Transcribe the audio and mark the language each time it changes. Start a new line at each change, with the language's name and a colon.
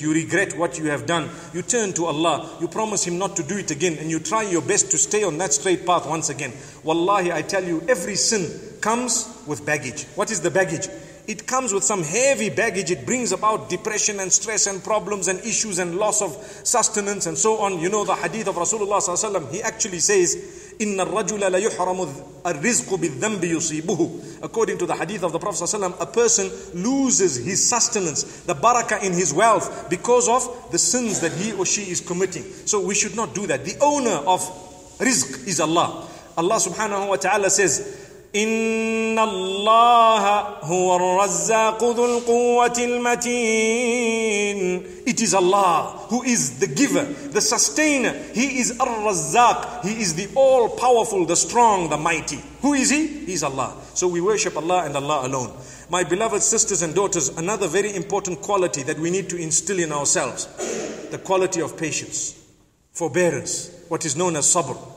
English: You regret what you have done. You turn to Allah. You promise Him not to do it again. And you try your best to stay on that straight path once again. Wallahi, I tell you, every sin comes with baggage. What is the baggage? It comes with some heavy baggage. It brings about depression and stress and problems and issues and loss of sustenance and so on. You know the hadith of Rasulullah sallallahu alaihi wasallam. He actually says,
Arabic: إِنَّ الرَّجُلَ لَيُحْرَمُ الرِّزْقُ بِالذَّنْبِ يُصِيبُهُ.
English: According to the hadith of the Prophet sallallahu alaihi wasallam, a person loses his sustenance, the barakah in his wealth, because of the sins that he or she is committing. So we should not do that. The owner of rizq is Allah. Allah subhanahu wa ta'ala says,
Arabic: إِنَّ اللَّهَ هُوَ الرَّزَّاقُ ذُو الْقُوَّةِ الْمَتِينَ.
English: It is Allah who is the giver, the sustainer. He is Ar-Razzaq. He is the all-powerful, the strong, the mighty. Who is He? He is Allah. So we worship Allah and Allah alone. My beloved sisters and daughters, another very important quality that we need to instill in ourselves, the quality of patience, forbearance, what is known as sabr.